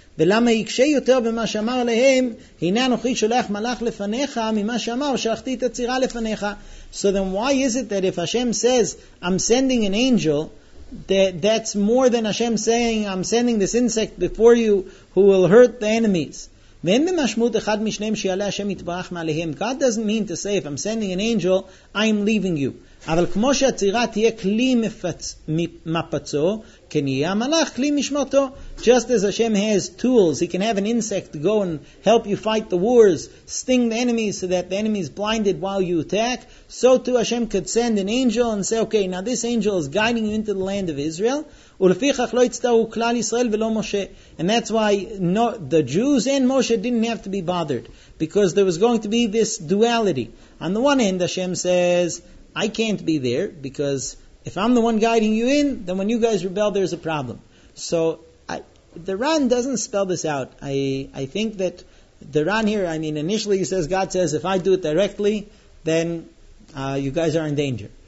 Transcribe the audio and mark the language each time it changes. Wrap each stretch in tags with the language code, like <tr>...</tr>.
<he>ולמה יקשה יותר במה שאמר להם, הנה אנוכי שולח מלאך לפניך, ממה שאמר, שלחתי את הצירה לפניך.</he> <en>So then why is it that if Hashem says, I'm sending an angel, that's more than Hashem saying, I'm sending this insect before you who will hurt the enemies.</en> <he>ואין במשמעות אחד משניהם שיעלה השם יתברך מעליהם.</he> <en>God doesn't mean to say, if I'm sending an angel, I'm leaving you.</en> <he>אבל כמו שהצירה תהיה כלי מפצו, כן יהיה המלאך כלי משמותו.</he> <en>Just as Hashem has tools, he can have an insect go and help you fight the wars, sting the enemies so that the enemy is blinded while you attack, so too Hashem could send an angel and say, okay, now this angel is guiding you into the land of Israel.</en> <he>ולפיכך לא הצטרו כלל ישראל ולא משה.</he> <en>And that's why no, the Jews and Moshe didn't have to be bothered, because there was going to be this duality. On the one hand, Hashem says, I can't be there, because if I'm the one guiding you in, then when you guys rebel, there's a problem. So the Ran doesn't spell this out. I think that the Ran here, I mean, initially he says, God says, if I do it directly, then you guys are in danger.</en>